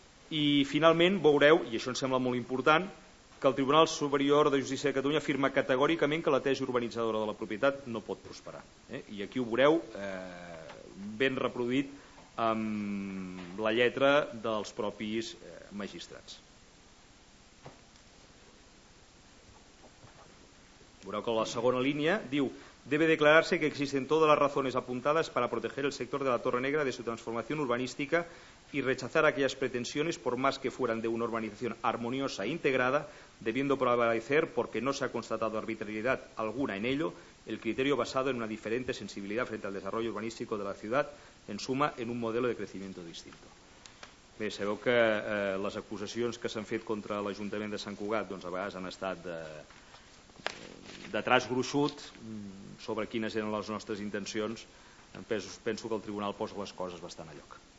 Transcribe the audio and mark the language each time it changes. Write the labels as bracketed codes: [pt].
[ca] I finalment veureu, i això em sembla molt important, que el Tribunal Superior de Justícia de Catalunya afirma categòricament que la tesi urbanitzadora de la propietat no pot prosperar. I aquí ho veureu ben reproduït amb la lletra dels propis magistrats. Veureu que la segona línia diu: [es] debe declararse que existen todas las razones apuntadas para proteger el sector de la Torre Negra de su transformación urbanística y rechazar aquellas pretensiones, por más que fueran de una urbanización armoniosa e integrada, debiendo prevalecer, porque no se ha constatado arbitrariedad alguna en ello, el criterio basado en una diferente sensibilidad frente al desarrollo urbanístico de la ciudad, en suma, en un modelo de crecimiento distinto. [ca] Bé, sabeu que les acusacions que s'han fet contra l'Ajuntament de Sant Cugat doncs a vegades han estat de traç gruixut sobre quines eren les nostres intencions. Penso que el tribunal posa les coses bastant a lloc.